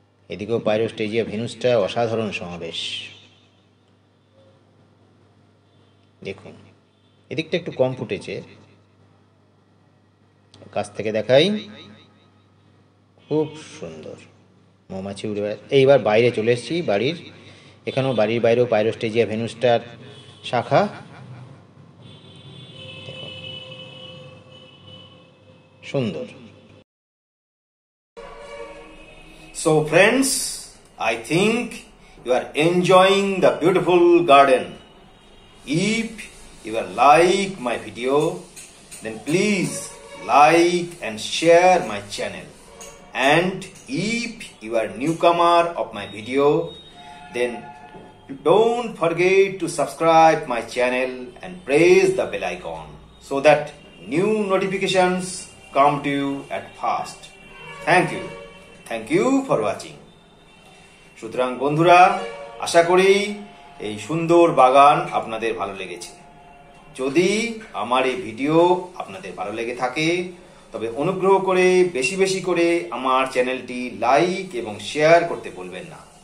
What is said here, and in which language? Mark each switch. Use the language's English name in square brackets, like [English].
[Bangla] এদিকেও পাইরোস্ট্রেজিয়া ভেনুসটা অসাধারণ সমাবেশ, দেখুন এদিকটা একটু কম ফুটেছে, কাছ থেকে দেখাই, খুব সুন্দর মৌমাছি উড়ে বেড়ায়। এইবার বাইরে চলে এসেছি বাড়ির, এখানেও বাড়ির বাইরেও পাইরোস্ট্রেজিয়া ভেনুসটার শাখা, দেখুন সুন্দর। [English] So friends, I think you are enjoying the beautiful garden. If you are like my video, then please like and share my channel. And if you are newcomer of my video, then don't forget to subscribe my channel and press the bell icon so that new notifications come to you at first. Thank you. Thank you for watching. [Bangla] সুতরাং বন্ধুরা, আশা করি এই সুন্দর বাগান আপনাদের ভালো লেগেছে। যদি আমার এই ভিডিও আপনাদের ভালো লেগে থাকে, তবে অনুগ্রহ করে বেশি বেশি করে আমার চ্যানেলটি লাইক এবং শেয়ার করতে ভুলবেন না।